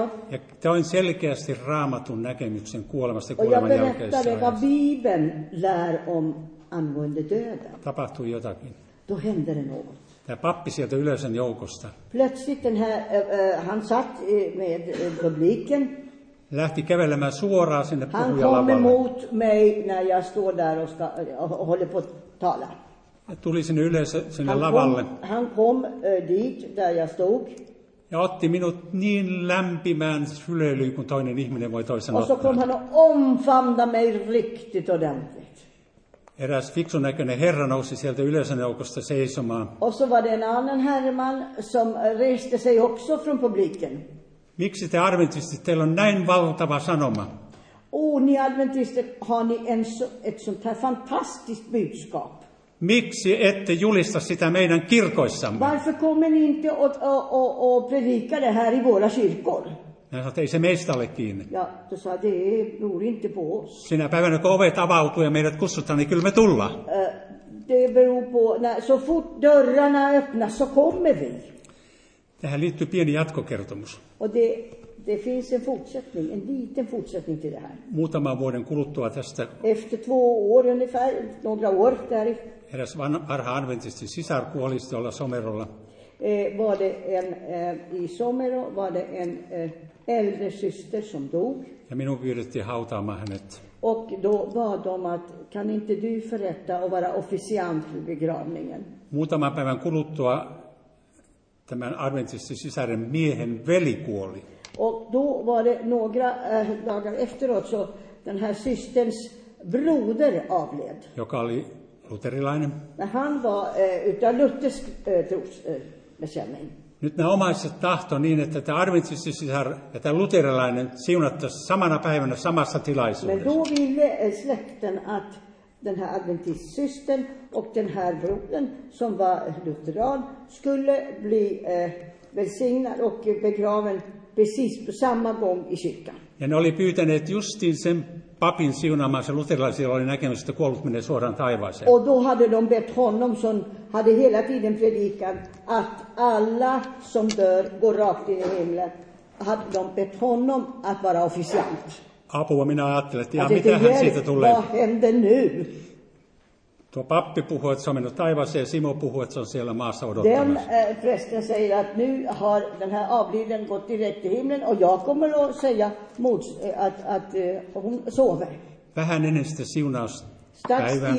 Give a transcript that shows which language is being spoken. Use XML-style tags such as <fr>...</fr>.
<fi>Ja toin selkeästi raamatun näkemyksen kuolemasta kuoleman jälkeisestä ajasta.</fi> <sv>Ja Bibeln lär om angående döden.</sv> <fi>Tapahtui jotakin.</fi> <sv>Då hände det något.</sv> <fi>Tämä pappi sieltä yleisön joukosta.</fi> <sv>Plötsligt han satt med publiken.</sv> <fi>Lähti kävelemään suoraan sinne puhujalavalle.</fi> <sv>Han kom emot mig när jag står där och ska, håller på att tala.</sv> <fi>Ja tuli sinne yleisö, sinne lavalle.</fi> <sv>Han kom dit, där jag stod.</sv> <fi>Ja otti minut niin lämpimään syleilyyn, kuin toinen ihminen voi toisen ottaa.</fi> <sv>Och så kom han och omfamnade mig riktigt ordentligt.</sv> <fi>Eräs fiksu näköinen herra nousi sieltä yleisön joukosta seisomaan.</fi> <sv>Och så var det en annan herrman, som reste sig också från publiken.</sv> <fi>Miksi te adventistit, teillä on näin valtava sanoma?</fi> <sv>Oh, ni adventistit, har ni ett sånt här fantastiskt budskap.</sv> <fi>Miksi ette julista sitä meidän kirkoissamme?</fi> <sv>Varför kommer ni inte att predika det här i våra kyrkor?</sv> <fi>Ja sanoi, ei se meistä ole kiinni.</fi> <sv>Ja du sa, det beror inte på oss.</sv> <fi>Sinä päivänä, kun ovet avautuu ja meidät kutsutaan, niin kyllä me tullaan.</fi> <sv>Det beror på, när, så fort dörrarna öppnas så kommer vi.</sv> <fi>Tähän liittyy pieni jatkokertomus.</fi> <sv>Och det finns en fortsättning, en liten fortsättning till det här.</sv> <fi>Muutaman vuoden kuluttua tästä.</fi> <sv>Efter två år ungefär, några år där.</sv> <fi>Eräs varha adventistin sisar kuoli tuolla Somerolla.</fi> <sv>Var det en äldre syster som dog.</sv> <fi>Ja minun pyydettiin hautaamaan hänet.</fi> <sv>Och då bad om att, kan inte du förrätta och vara officiant vid begravningen?</sv> <fi>Muutaman päivän kuluttua tämän adventistin sisaren miehen veli kuoli.</fi> <sv>Och då var det några dagar efteråt så den här systerns broder avled.</sv> <fi>Joka oli luterilainen.</fi> <sv>Men han var utan luthersk trosbekännning.</sv> <fi>Nyt nämä omaiset tahto niin, että tämä adventisti sisar ja tämä luterilainen siunattaisi samana päivänä samassa tilaisuudessa.</fi> <sv>Men då ville släkten att den här adventistsystern och den här brodern som var lutheran skulle bli välsignad och begraven precis på samma gång i kyrkan.</sv> <fi>Ja ne oli pyytäneet justiin sen papin siunaamaan, se luterilaisilla oli näkemys, että kuollut menee suoraan taivaaseen.</fi> <sv>Och då hade de bett honom som hade hela tiden predikat att alla som dör går rakt in i himlen. Hade de bett honom att vara officiant.</sv> <fi>Apua, minä ajattelin, että mitä hän siitä tulee.</fi> <sv>Vad hände nu?</sv> <fi>Tuo pappi puhuu, että se on mennyt taivaaseen, ja Simo puhuu, että se on siellä maassa odottamassa.</fi> <sv>Den prästen säger att nu har den här avliden gått direkt till himlen, och jag kommer att säga att hon sover.</sv> <fi>Vähän ennen sitä siunauspäivää.</fi>